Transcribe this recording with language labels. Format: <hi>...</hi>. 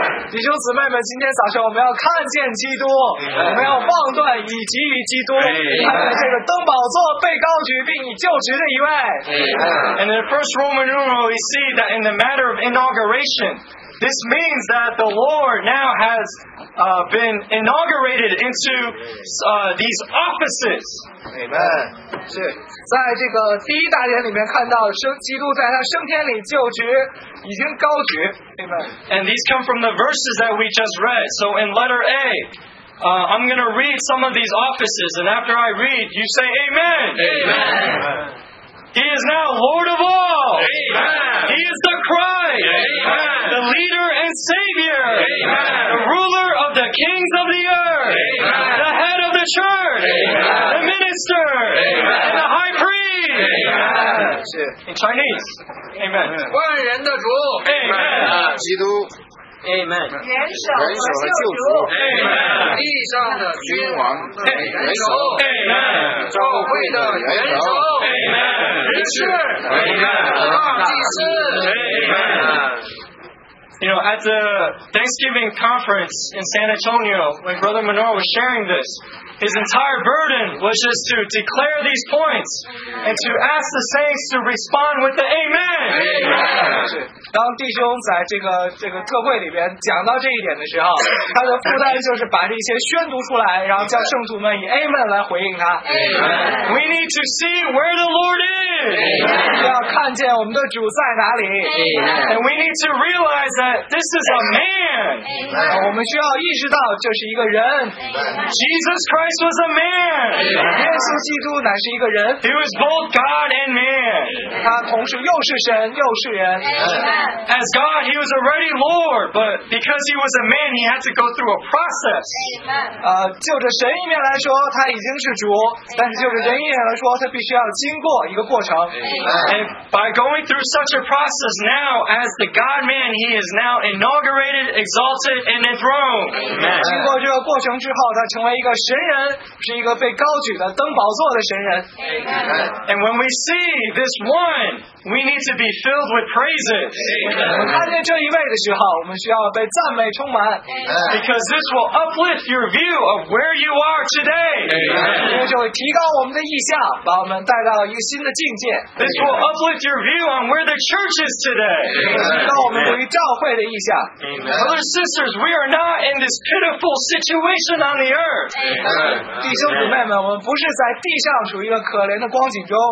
<zh>弟兄姊妹们，今天早晨我们要看见基督，我们要望断以及于基督，这个登宝座被高举并已就职的一位。</zh> <en>In the first Roman numeral, we see that in the matter of inauguration, this means that the Lord now has been inaugurated into these offices. Amen.</en> <zh>是在这个第一大典里面看到升基督在他升天里就职，已经高举。</zh> <en>Amen. And these come from the verses that we just read. So in letter A, I'm going to read some of these offices, and after I read, you say Amen. Amen. Amen. He is now Lord of all. Amen. He is the Christ. Amen. The leader and Savior. Amen. The ruler of the kings of the earth. Amen. The head of the church. Amen. The minister. Amen. And the high priest. Amen. In Chinese. Amen.</en> <zh>万人的主。</zh> <en>Amen.</en> <zh>基督。</zh> <en>Amen.</en> <zh>元首和救主。</zh> <en>Amen.</en> <zh>地上的君王。元首。</zh> <en>Amen.</en> <zh>教会的元首。</zh> <en>Amen.</en> <zh>人士。</zh> <en>Amen.</en> <zh>大祭司。</zh> <en>Amen. You know, at the Thanksgiving conference in San Antonio, when Brother Menor was sharing this, his entire burden was just to declare these points and to ask the saints to respond with the Amen. Amen.</en> <zh>当弟兄在这个特会里边讲到这一点的时候，他的负担就是把这些宣读出来，然后叫圣徒们以 Amen 来回应他。</zh> <en>Amen. We need to see where the Lord is. Amen.</en> <zh>要看见我们的主在哪里。</zh> <en>Amen. And we need to realize that this is a man. Amen.</en> <zh>我们需要意识到这是一个人。</zh> <en>Amen. Jesus Christ was a man. Amen.</en> <zh>耶稣基督乃是一个人。</zh> <en>He was both God and man.</en> <zh>他同时又是神又是人。</zh> <en>Amen. As God, he was already Lord, but because he was a man, he had to go through a process.</en> <zh>就着神一面来说，他已经是主，但是就着人一面来说，他必须要经过一个过程。</zh> <en>And by going through such a process now, as the God-man, he is now inaugurated, exalted, and enthroned. Amen.</en> <zh>经过这个过程之后，他成为一个神人，是一个被高举的登宝座的神人。</zh> <en>Amen. And when we see this one, we need to be filled with praises. Amen.</en> <zh>我们看见这一位的时候，我们需要被赞美充满。</zh> <en>Amen. Because this will uplift your view of where you are today. Amen.</en> <zh>因为这会提高我们的意向，把我们带到一个新的境界。</zh> <en>This will uplift your view on where the church is today. Amen.</en> <zh>提高我们对于教会的意向。</zh> <en>Amen. Brothers and sisters, we are not in this pitiful situation on the earth. Amen.</en> <zh>弟兄姊妹们，我们不是在地上处于一个可怜的光景中。</zh>